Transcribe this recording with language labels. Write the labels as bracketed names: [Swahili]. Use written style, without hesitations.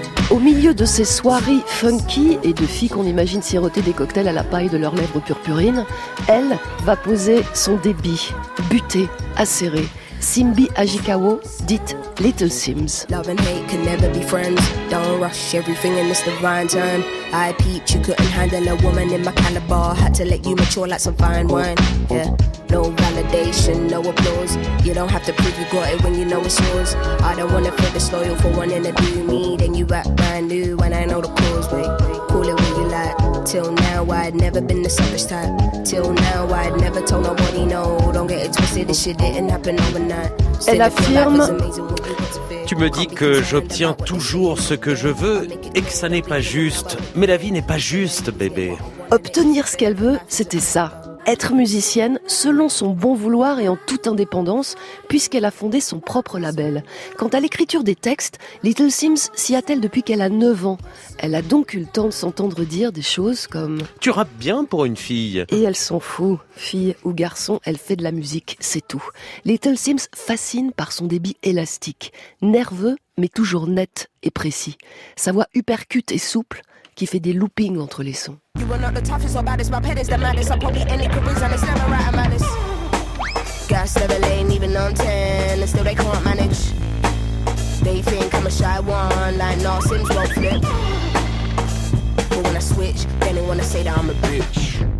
[French] Au milieu de ces soirées funky et de filles qu'on imagine siroter des cocktails à la paille de leurs lèvres purpurines, elle va poser son débit, buté, acéré. Simbi Ajikawo, dite Little Sims. [English] Love and hate can never be friends. Don't rush everything in this divine time. I peeped, you couldn't handle a woman in my caliber. Had to let you mature like some fine wine. Yeah. No validation, no applause. You don't have to prove you got it when you know it's yours. I don't wanna feel disloyal for wanting to do me. Then you act brand new when I know the cause. Wait, call it what you like. Till now I'd never been the selfish type. Till now I'd never told nobody no. Don't get it twisted, this shit didn't happen overnight. [French] Elle affirme, tu me dis que j'obtiens toujours ce que je veux et que ça n'est pas juste. Mais la vie n'est pas juste, bébé. Obtenir ce qu'elle veut, c'était ça. Être musicienne, selon son bon vouloir et en toute indépendance, puisqu'elle a fondé son propre label. Quant à l'écriture des textes, Little Sims s'y attelle depuis qu'elle a 9 ans. Elle a donc eu le temps de s'entendre dire des choses comme « Tu rappes bien pour une fille !» Et elle s'en fout. Fille ou garçon, elle fait de la musique, c'est tout. Little Sims fascine par son débit élastique, nerveux mais toujours net et précis. Sa voix hypercute et souple, qui fait des loopings entre les sons. [English] You are not the toughest or baddest, my pet is the maddest. I'll probably end it quickly, and it's never right, I'm honest. Gas never lane, even on 10, and still they can't manage. They think I'm a shy one, like Narsim's won't flip. But when I switch, then they wanna say that I'm a bitch.